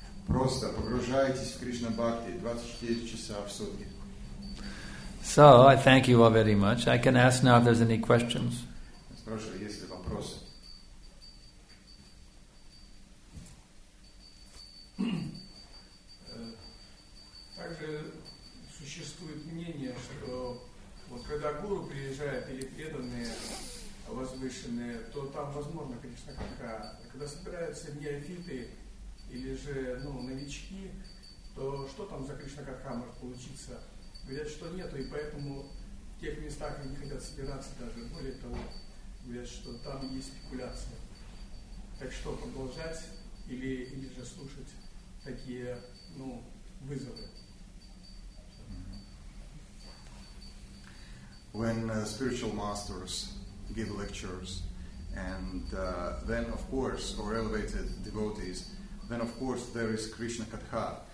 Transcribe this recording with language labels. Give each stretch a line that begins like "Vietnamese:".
Russian: Просто погружайтесь в Кришна Бхакти 24 часа в сутки.
English: So, I thank you all very much. I can ask now if there's any questions.
Russian: Спрашиваю, есть ли вопросы? Также существует мнение, что вот когда гуру приезжает или преданные возвышенные, то там возможно, конечно, когда собираются неофиты или же ну, новички, то что там за Кришна-катха может получиться? Говорят, что нету, и поэтому в тех местах они хотят собираться даже. Более того, говорят, что там есть спекуляция. Так что, продолжать или же слушать такие ну, вызовы?
English: When spiritual masters give lectures, and then, of course, or elevated devotees, then of course there is Krishna Katha.